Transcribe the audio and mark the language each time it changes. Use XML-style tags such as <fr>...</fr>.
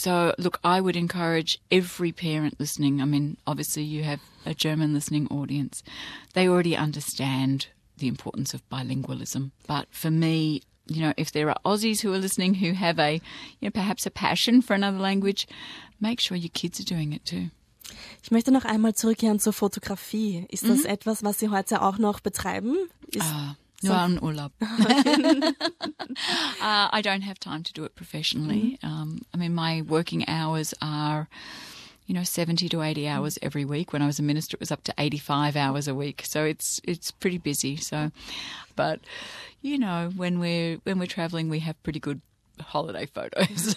<en>So, look, I would encourage every parent listening. I mean, obviously you have a German listening audience. They already understand the importance of bilingualism. But for me, you know, if there are Aussies who are listening who have a, you know, perhaps a passion for another language, make sure your kids are doing it too.</en> <de>Ich möchte noch einmal zurückkehren zur Fotografie. Ist das etwas, was Sie heute auch noch betreiben? Nur im Urlaub.</de> <en>I don't have time to do it professionally. I mean, my working hours are, you know, 70 to 80 hours every week. When I was a minister, it was up to 85 hours a week. So it's pretty busy. So, but, you know, when we're traveling, we have pretty good holiday photos.</en>